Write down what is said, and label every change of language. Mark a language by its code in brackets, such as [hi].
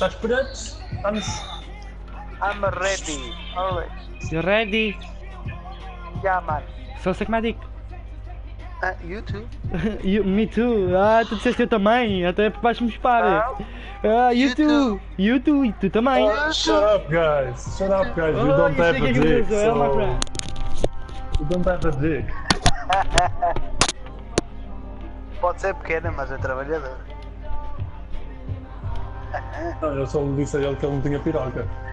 [pt] Estás pronto? [en] I'm ready. Always. You're ready? Yeah, man. [pt] Sou sigmatic. [en] You too. You, me too. [pt] Ah, tu disseste eu também. Até por baixo me espalha. [en] You too. [pt] E tu também. [en] Shut up, guys. You don't have a dick, so... You don't have a dick. [pt] Pode ser pequeno, mas é trabalhador. Não, eu só lhe disse a ele que ele não tinha piroca.